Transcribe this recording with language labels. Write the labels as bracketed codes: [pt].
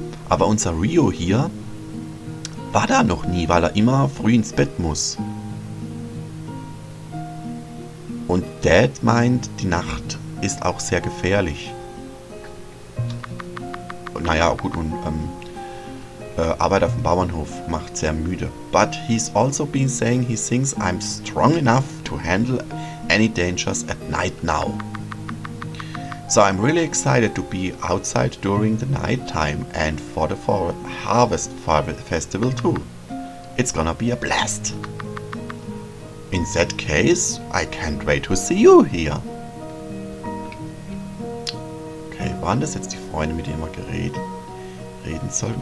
[de] Aber unser Rio hier war da noch nie, weil er immer früh ins Bett muss. Und Dad meint, die Nacht ist auch sehr gefährlich. Naja, gut, und Arbeit auf dem Bauernhof macht sehr müde. [en] But he's also been saying he thinks I'm strong enough to handle any dangers at night now. So I'm really excited to be outside during the night time and for the Harvest Festival too. It's gonna be a blast. In that case, I can't wait to see you here. [de] Okay, waren das jetzt die Freunde, mit denen wir reden sollten?